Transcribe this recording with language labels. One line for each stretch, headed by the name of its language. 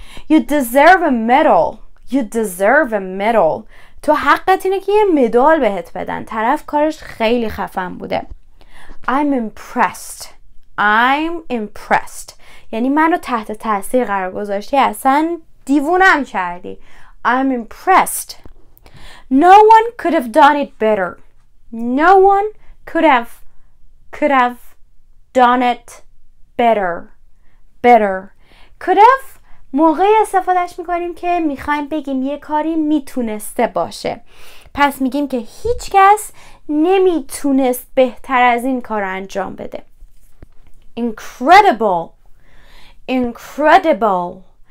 English: You deserve a medal. You deserve a medal.
Persian: تو حقت اینه که یه مدال بهت بدن. طرف کارش خیلی خفن بوده.
English: I'm impressed. I'm impressed.
Persian: یعنی منو تحت تاثیر قرار گذاشتی، اصلا دیوونم کردی.
English: I'm impressed. No one could have done it better. No one could have done it better. Better.
Persian: Could have موقعی استفادهش میکنیم که میخوایم بگیم یه کاری میتونسته باشه. پس میگیم که هیچ کس نمیتونست بهتر از این کار انجام بده.
English: Incredible. Incredible.